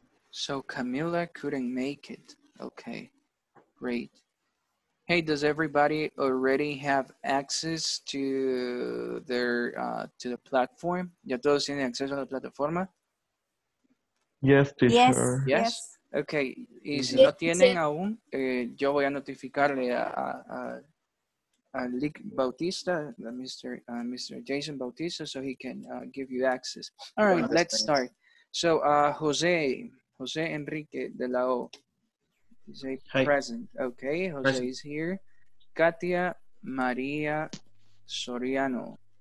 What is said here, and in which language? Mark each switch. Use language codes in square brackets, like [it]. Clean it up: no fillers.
[en] So Camila couldn't make it. Okay, great. Hey, does everybody already have access to the platform? [es] ¿Ya todos tienen acceso a la plataforma? [en] Yes, teacher. Yes. [es] Okay, y si no tienen aún, yo voy a notificarle a Lick Bautista, Mr. [en] Jason Bautista, so he can give you access. All right, let's start. So Jose Enrique de la O. He's present. Okay, Jose present. Is here. Katia Maria Soriano.